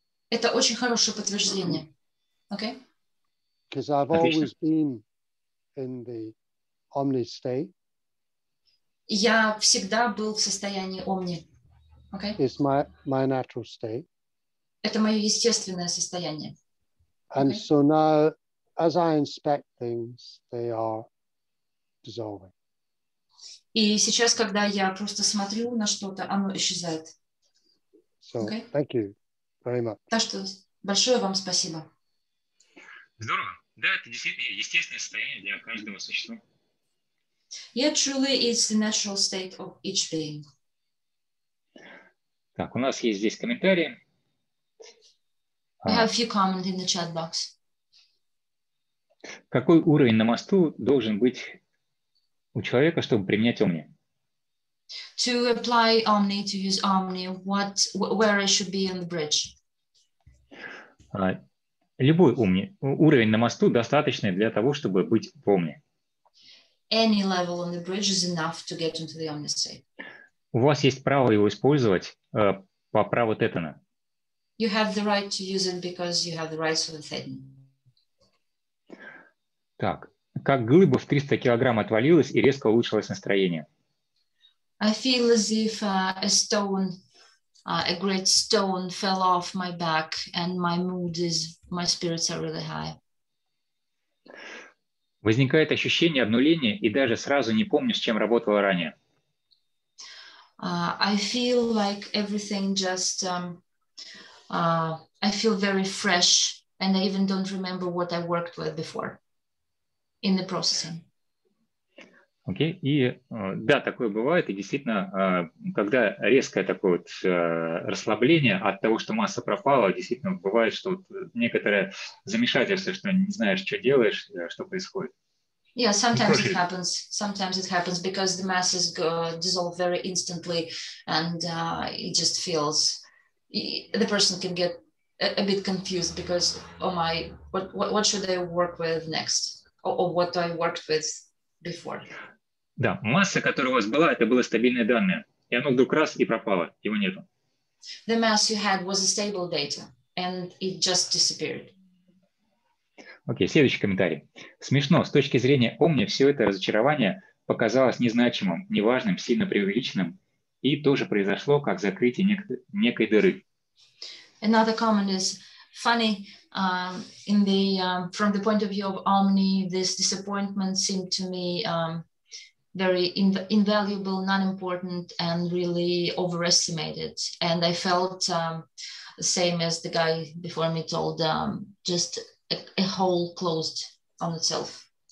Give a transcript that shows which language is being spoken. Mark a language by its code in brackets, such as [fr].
[ru] Это очень хорошее подтверждение. [en] Okay. Because I've always been in the omni state. [ru] Я всегда был в состоянии омни. [en] Okay? It's my natural state. [ru] Это мое естественное состояние. [en] And okay? So now, as I inspect things, they are dissolving. [ru] И сейчас, когда я просто смотрю на что-то, оно исчезает. [en] So, okay? Thank you very much. [ru] Так что, большое вам спасибо. Здорово. Да, это действительно естественное состояние для каждого существа. [en] Yeah, truly, it's the natural state of each being. [ru] Так, у нас есть здесь комментарии. [en] We have a few comments in the chat box. [ru] Какой уровень на мосту должен быть у человека, чтобы применять Omni? [en] To apply Omni, to use Omni, where I should be on the bridge? [ru] Любой Omni, уровень на мосту достаточный для того, чтобы быть в Omni. [en] Any level on the bridge is enough to get into the omni state. [ru] У вас есть право его использовать по праву тетана. [en] You have the right to use it because you have the rights of the tetan. [ru] Так, как глыба в 300 килограмм отвалилась и резко улучшилось настроение. [en] I feel as if a great stone fell off my back and my spirits are really high. [ru] Возникает ощущение обнуления и даже сразу не помню, с чем работала ранее. [en] I feel like everything just I feel very fresh and I even don't remember what I worked with before in the processing. [ru] Окей, и да, такое бывает, и действительно, когда резкое такое вот расслабление от того, что масса пропала, действительно бывает, что вот некоторое замешательство, что не знаешь, что делаешь, что происходит. [en] Yeah, sometimes it happens. Sometimes it happens because the masses dissolve very instantly, and it just feels the person can get a bit confused because, oh my, what should I work with next, or what do I worked with before? [ru] Да, масса, которая у вас была, это было стабильные данные, и оно вдруг раз и пропало, его нету. [en] the mass you had was a stable data, and it just disappeared. [ru] Окей, следующий комментарий. Смешно, с точки зрения Omni все это разочарование показалось незначимым, неважным, сильно преувеличенным, и тоже произошло как закрытие некой дыры. [en] Another comment is funny. From the point of view of Omni, this disappointment seemed to me very invaluable, non-important, and really overestimated. And I felt the same as the guy before me told, just a hole closed on itself.